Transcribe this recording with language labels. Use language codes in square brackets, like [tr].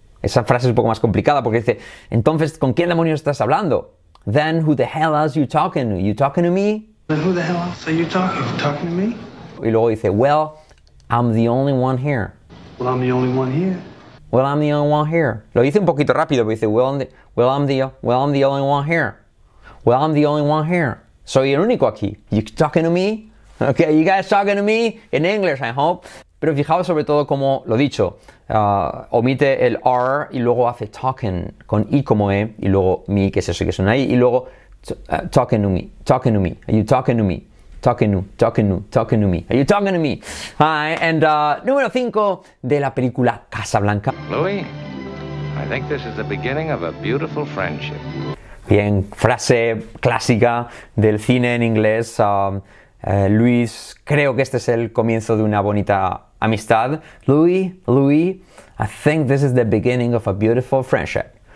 [es] Esa frase es un poco más complicada porque dice, entonces, ¿con quién demonios estás hablando? [en] Then who the hell else you talking to? You talking to me? Then who the hell else are you talking to? Talking to me? [es] Y luego dice, [en] well, I'm the only one here. Well, I'm the only one here. Well, I'm the only one here. [es] Lo dice un poquito rápido, pero dice, [en] I'm the only one here. Well, I'm the only one here. [es] Soy el único aquí. [en] You talking to me? Okay, you guys talking to me? In English, I hope. [es] Pero fijaos sobre todo como lo dicho, omite el R y luego hace talking con I como E y luego me, que es eso que suena ahí, y luego talking to me, talking to me, are you talking to me, talking to, talking to, talking to me, are you talking to me? Hi, and número 5 de la película Casablanca. [en] Louis, I think this is the beginning of a beautiful friendship. [es] Bien, frase clásica del cine en inglés. Luis, creo que este es el comienzo de una bonita amistad. [en] Louis, I think this is the beginning of a beautiful friendship.